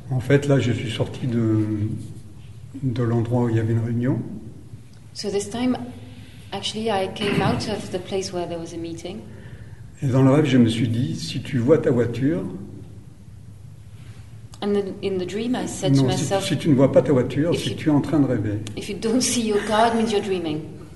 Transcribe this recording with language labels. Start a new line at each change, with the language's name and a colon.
French: En fait, là, je suis sorti de l'endroit où il y avait une réunion.
English: So this time, actually, I came out of the place where there was a meeting.
French: Et dans le rêve, je me suis dit, si tu vois ta voiture.
English: And then in the dream, I said to myself.
French: Si tu ne vois pas ta voiture, c'est que tu es en train de rêver.
English: If you don't see your car, it means you're dreaming.